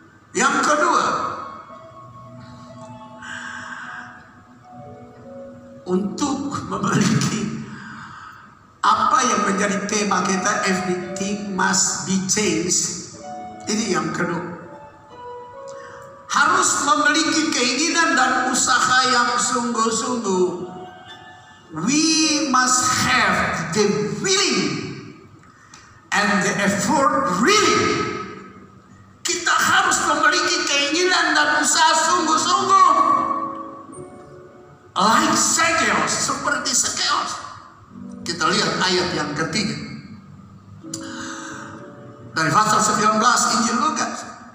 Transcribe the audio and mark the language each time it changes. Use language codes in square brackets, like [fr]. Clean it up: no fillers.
[id] Yang kedua, untuk memiliki apa yang menjadi tema kita, [en] everything must be changed. [id] Ini yang kedua. Harus memiliki keinginan dan usaha yang sungguh-sungguh. [en] We must have the willing and the effort really. [id] Kita harus memiliki keinginan dan usaha sungguh-sungguh. like Zacchaeus, seperti Zacchaeus. Kita lihat ayat yang ketiga dari pasal 19 Injil Lukas.